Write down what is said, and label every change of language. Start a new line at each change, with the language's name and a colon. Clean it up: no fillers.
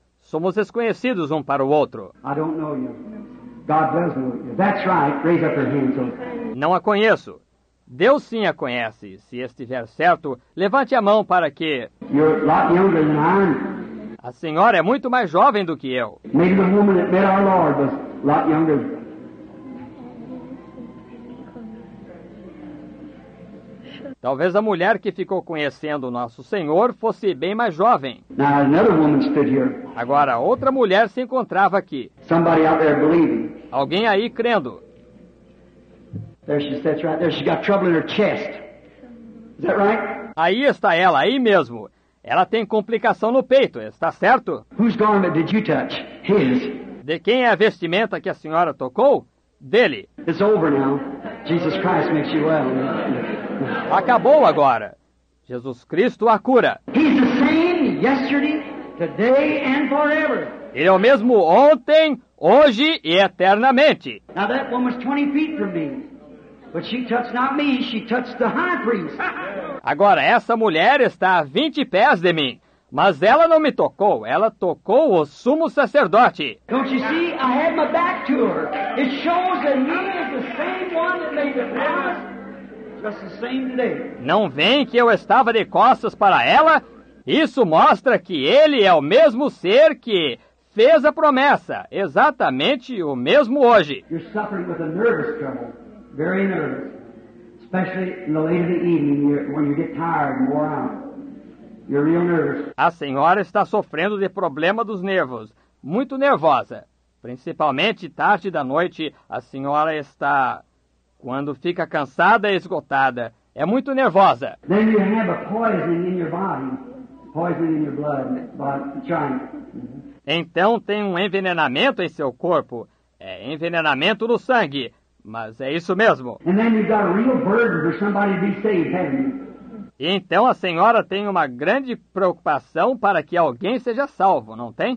Portuguese: Somos desconhecidos um para o outro.
English: I don't know you. God does know you. That's right. Raise up your hands.
Portuguese: Não a conheço. Deus sim a conhece. Se estiver certo, levante a mão para que...
English: You're a lot younger than I am.
Portuguese: A senhora é muito mais jovem do que eu.
English: Maybe the woman that met our Lord was a lot younger.
Portuguese: Talvez a mulher que ficou conhecendo o nosso Senhor fosse bem mais jovem.
English: Now, another woman stood here.
Portuguese: Agora, outra mulher se encontrava aqui.
English: Somebody out there believing.
Portuguese: Alguém aí crendo.
English: There she sits right there. She's got trouble in her chest. Is that right?
Portuguese: Aí está ela, aí mesmo. Ela tem complicação no peito, está certo?
English: Whose garment did you touch? His.
Portuguese: De quem é a vestimenta que a senhora tocou? Dele.
English: It's over now. Jesus Christ makes you well.
Portuguese: Acabou agora. Jesus Cristo a cura.
English: He's the same yesterday, today and forever.
Portuguese: Ele é o mesmo ontem, hoje e eternamente.
English: Now that woman's 20 feet from me. But she touched not me, she touched the high priest.
Portuguese: Agora, essa mulher está a 20 pés de mim. Mas ela não me tocou, ela tocou o sumo sacerdote.
English: Don't you see? I had my back to her. It shows that he is the same one that made the promise just the same today.
Portuguese: Não vem que eu estava de costas para ela? Isso mostra que ele é o mesmo ser que fez a promessa, exatamente o mesmo hoje.
English: You're suffering with a nervous trouble. Very nervous, especially in the late of the evening when you get tired and worn out. You're real nervous.
Portuguese: A senhora está sofrendo de problema dos nervos, muito nervosa. Principalmente tarde da noite, a senhora está... Quando fica cansada e esgotada, É muito nervosa.
English: Then you have a poisoning in your body, poisoning in your blood by China.
Portuguese: Então tem um envenenamento em seu corpo. É envenenamento no sangue. Mas é isso mesmo.
English: And then you've got a real burden for somebody to be saved, haven't you?
Portuguese: Então a senhora tem uma grande preocupação para que alguém seja salvo, não tem?